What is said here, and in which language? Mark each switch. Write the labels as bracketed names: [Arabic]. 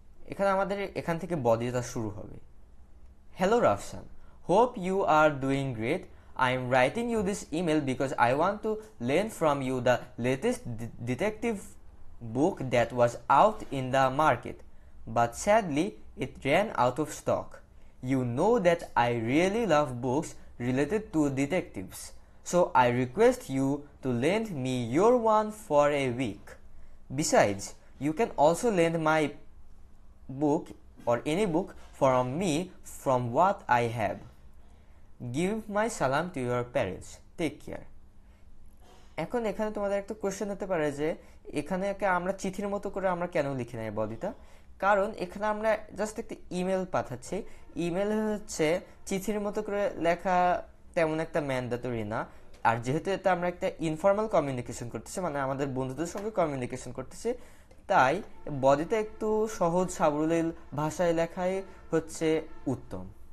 [Bangla] এখানে আমাদের এখান থেকে বদিতা শুরু হবে। [English] Hello Rafsan, hope you are doing great. I am writing you this email because I want to learn from you the latest detective book that was out in the market, but sadly it ran out of stock. You know that I really love books related to detectives, so I request you to lend me your one for a week. Besides, you can also lend my book or any book from me from what I have. Give my salam to your parents. Take care. [Bangla] এখন এখানে তোমাদের একটা question হতে পারে যে এখানে আমরা চিঠির মতো করে আমরা কেন লিখি নাই বদিতা। কারণ এখানে আমরা জাস্ট একটা ইমেল পাঠাচ্ছি। ইমেল হচ্ছে চিঠির মতো করে লেখা তেমন একটা ম্যান্ডেটরি না, আর যেহেতু এটা আমরা একটা ইনফর্মাল কমিউনিকেশন করতেছি মানে আমাদের বন্ধুদের সঙ্গে কমিউনিকেশন করতেছি, তাই বদিতা একটু সহজ সাবলীল ভাষায় লেখাই হচ্ছে উত্তম।